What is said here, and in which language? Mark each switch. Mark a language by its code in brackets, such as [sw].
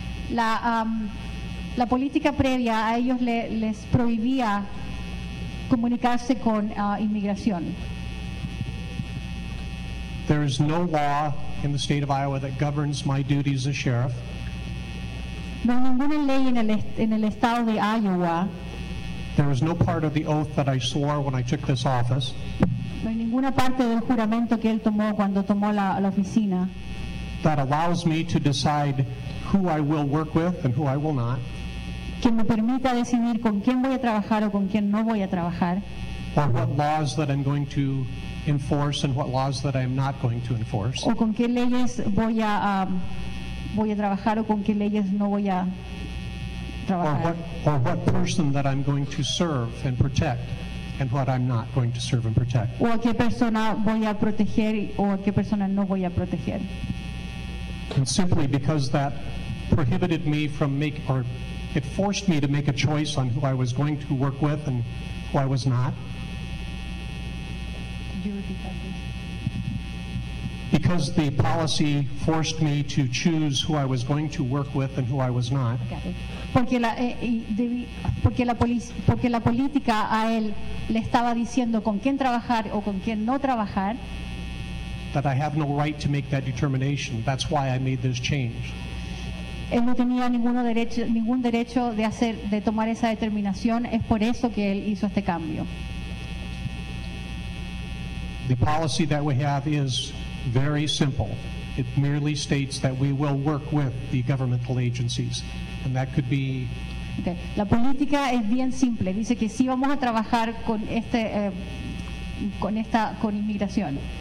[es] La política previa a ellos les prohibía comunicarse con inmigración. [en] There is no law in the state of Iowa that governs my duties as sheriff. [es] No hay ninguna ley en el estado de Iowa. [en] There is no part of the oath that I swore when I took this office. [es] No hay ninguna parte del juramento que él tomó cuando tomó la oficina. [en] That allows me to decide who I will work with and who I will not. [es] Que me permita decidir con quién voy a trabajar o con quién no voy a trabajar. [en] Or what laws that I'm going to enforce and what laws that I am not going to enforce. [es] O con qué leyes voy a voy a trabajar o con qué leyes no voy a trabajar. [en] Or what person that I'm going to serve and protect, and what I'm not going to serve and protect. [es] O a qué persona voy a proteger o a qué persona no voy a proteger. [en] And simply because that prohibited me from make or it forced me to make a choice on who I was going to work with and who I was not. Because the policy forced me to choose who I was going to work with and who I was not. [es] Porque la política a él le estaba diciendo con quién trabajar o con quién no trabajar. [en] That I have no right to make that determination. That's why I made this change. [es] Él no tenía ningún derecho de hacer, de tomar esa determinación. Es por eso que él hizo este cambio. [en] The policy that we have is very simple. It merely states that we will work with the governmental agencies, and that could be. [es] Okay. La política es bien simple. Dice que sí vamos a trabajar con este, con esta, con inmigración.